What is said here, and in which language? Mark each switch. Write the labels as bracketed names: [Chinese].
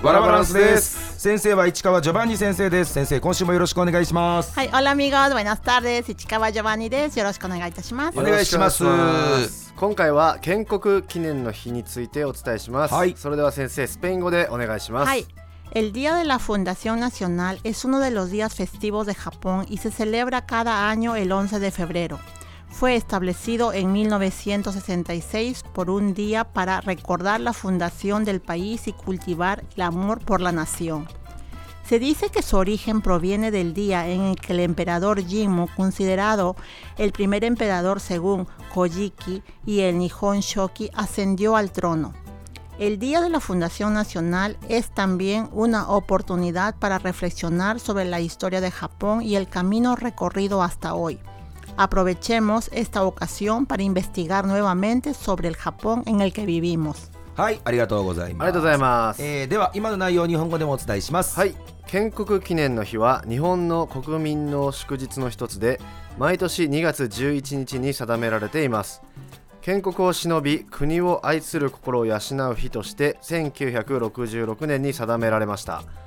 [Japanese] ワラバランスです。先生は市川ジョバンニ先生です。先生、今週もよろしくお願いします。はい、オラミゴー、ドバイナスターです。市川ジョバンニです。よろしくお願いいたします。お願いします。今回は建国記念の日についてお伝えします。はい、それでは先生、スペイン語でお願いします。はい。 [Spanish] El Día de la Fundación Nacional es uno de los días festivos de Japón y se celebra cada año el 11 de febrero. Fue establecido en 1966 por un día para recordar la fundación del país y cultivar el amor por la nación. Se dice que su origen proviene del día en el que el emperador Jimmu, considerado el primer emperador según Kojiki y el Nihon Shoki, ascendió al trono. El Día de la Fundación Nacional es también una oportunidad para reflexionar sobre la historia de Japón y el camino recorrido hasta hoy. Aprovechemos esta ocasión para investigar nuevamente sobre el Japón en el que vivimos. [Japanese] はい、ありがとうございます。ありがとうございます。では今の内容を日本語でもお伝えします。はい。建国記念の日は日本の国民の祝日の一つで、毎年2月11日に定められています。建国を忍び、国を愛する心を養う日として1966年に定められました。